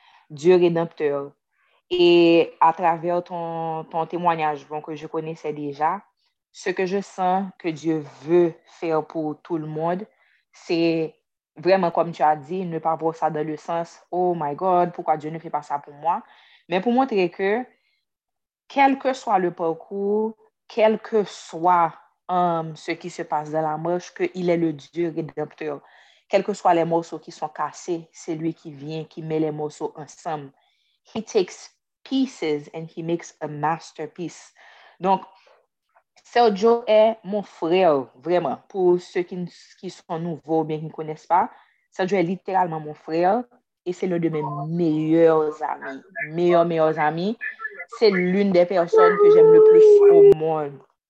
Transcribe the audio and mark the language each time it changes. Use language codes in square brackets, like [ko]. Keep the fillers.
[fr] Dieu rédempteur. Et à travers ton, ton témoignage, bon, que je connaissais déjà, ce que je sens que Dieu veut faire pour tout le monde, c'est vraiment comme tu as dit, ne pas voir ça dans le sens, [en] oh my God, [fr] pourquoi Dieu ne fait pas ça pour moi, mais pour montrer que quel que soit le parcours, quel que soit Um, ce qui se passe dans la marche, qu'il est le Dieu rédempteur. Quels que soient les morceaux qui sont cassés, c'est lui qui vient, qui met les morceaux ensemble. [en] He takes pieces and he makes a masterpiece. [fr] Donc, Sergio est mon frère, vraiment. Pour ceux qui, qui sont nouveaux bien qui ne connaissent pas, Sergio est littéralement mon frère et c'est l'un de mes meilleurs amis. Meilleurs, meilleurs amis. C'est l'une des personnes que j'aime le plus au monde.